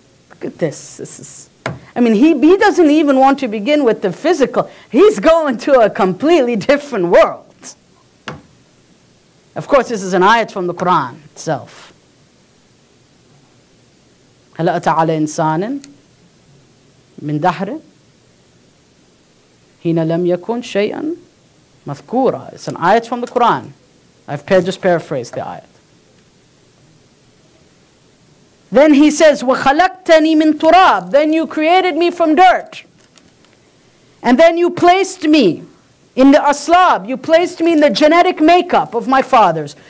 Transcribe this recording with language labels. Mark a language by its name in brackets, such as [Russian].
[English] Look at this. This is, I mean, he doesn't even want to begin with the physical. He's going to a completely different world. Of course, this is an ayat from the Quran itself. [Arabic] هل أتى على إنسان من دهر حين لم يكن شيئا مذكورا. [English] It's an ayat from the Quran. I've just paraphrased the ayat. Then he says, [Arabic] وَخَلَقْتَنِي مِن تُرَابٍ. [English] Then you created me from dirt. And then you placed me in the aslab. You placed me in the genetic makeup of my fathers.